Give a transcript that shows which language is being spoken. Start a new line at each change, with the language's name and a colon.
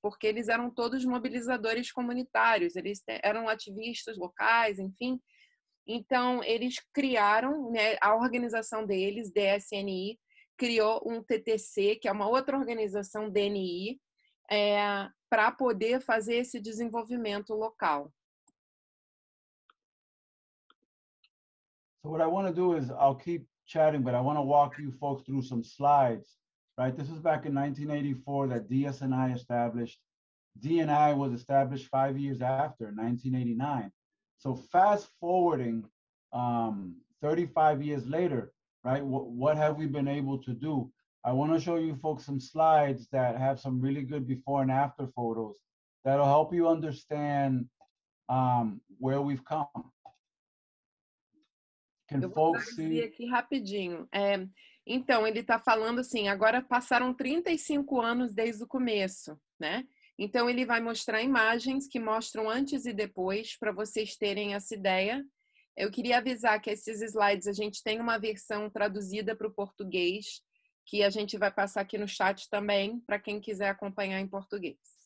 Portuguese: Porque eles eram todos mobilizadores comunitários, eles eram ativistas locais, enfim. Então, eles criaram, né, a organização deles, DSNI, criou um TTC, que é uma outra organização, DNI, para poder fazer esse desenvolvimento local.
English: So what I want to do is I'll keep chatting, but I want to walk you folks through some slides, right? This was back in 1984 that DS&I established. D&I was established 5 years after, 1989. So fast forwarding 35 years later, right? What have we been able to do? I want to show you folks some slides that have some really good before and after photos that'll help you understand where we've come.
Portuguese: Eu vou traduzir aqui rapidinho. Então, ele está falando assim, agora passaram 35 anos desde o começo, né? Então, ele vai mostrar imagens que mostram antes e depois para vocês terem essa ideia. Eu queria avisar que esses slides, a gente tem uma versão traduzida para o português que a gente vai passar aqui no chat também para quem quiser acompanhar em português.